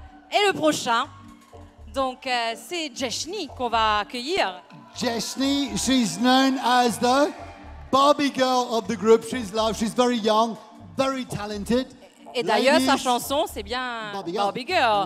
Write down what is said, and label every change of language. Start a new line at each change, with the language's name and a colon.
French: Et le prochain, donc c'est Jeshni qu'on va accueillir.
English: Jeshni, she's known as the Barbie girl of the group. She's loved. She's very young, very talented.
French: Et d'ailleurs, ladies, sa chanson, c'est bien Barbie girl.